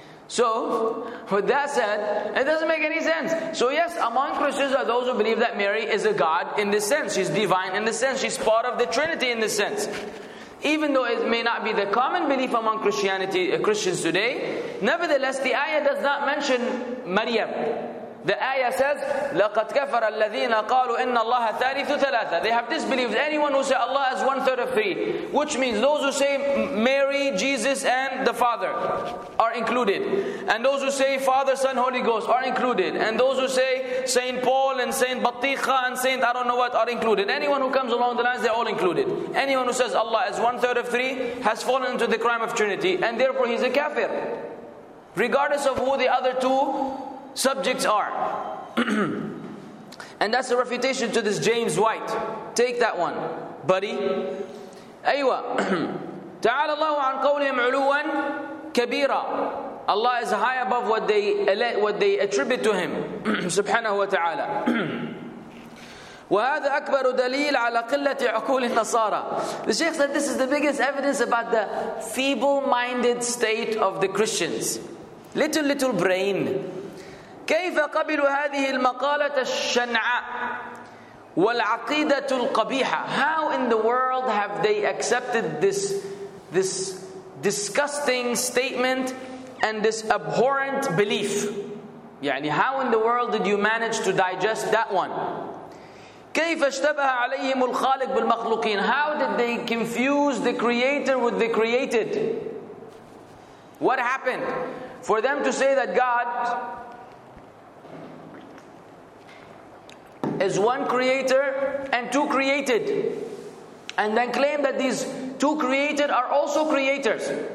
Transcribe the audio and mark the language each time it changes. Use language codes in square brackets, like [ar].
[en] So, with that said, it doesn't make any sense. So yes, among Christians are those who believe that Mary is a God in this sense. She's divine in this sense. She's part of the Trinity in this sense. Even though it may not be the common belief among Christians today, nevertheless, the ayah does not mention Maryam. The ayah says, [ar] لَقَدْ كَفَرَ الَّذِينَ قَالُوا إِنَّ اللَّهَ ثَالِثُ ثَلَاثَةً. [en] They have disbelieved anyone who says Allah is one third of three. Which means those who say Mary, Jesus, and the Father are included. And those who say Father, Son, Holy Ghost are included. And those who say Saint Paul and Saint Batikha and Saint I don't know what are included. Anyone who comes along the lines, they're all included. Anyone who says Allah is one third of three has fallen into the crime of Trinity. And therefore he's a kafir. Regardless of who the other two subjects are. And that's a refutation to this James White. Take that one, buddy. Aywa. [ar] Ta'ala Allahu an qawlihim 'uluwan kabira. [en] Allah is high above what they attribute to him. [ar] Subhanahu wa ta'ala. وهذا أكبر دليل على قلة عقول النصارى. [en] The Sheikh said this is the biggest evidence about the feeble-minded state of the Christians. Little brain. [ar] كيف قبلوا هذه المقالة الشنعاء والعقيدة القبيحة. [en] How in the world have they accepted this disgusting statement and this abhorrent belief? [ar] يعني [en] how in the world did you manage to digest that one? [ar] كيف اشتبه عليهم الخالق بالمخلوقين. [en] How did they confuse the creator with the created? What happened? For them to say that God is one creator and two created, and then claim that these two created are also creators.